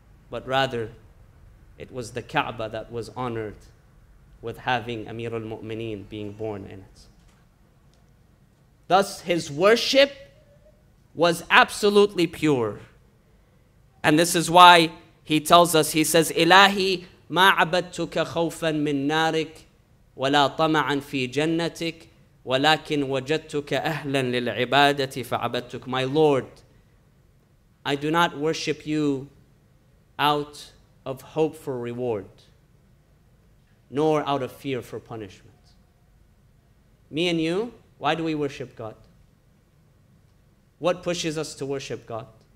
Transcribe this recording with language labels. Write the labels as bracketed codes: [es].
[en] But rather, it was the Kaaba that was honored with having Amir al-Mu'mineen being born in it. Thus, his worship was absolutely pure. And this is why he tells us, he says, [ar] إِلَهِ مَا عَبَدْتُكَ خَوْفًا مِنْ نَارِكَ وَلَا طَمَعًا فِي جَنَّتِكَ وَلَكِنْ وَجَدْتُكَ أَهْلًا لِلْعِبَادَةِ فَعَبَدْتُكَ. [en] My Lord, I do not worship you out of hope for reward, nor out of fear for punishment. Me and you, why do we worship God? What pushes us to worship God?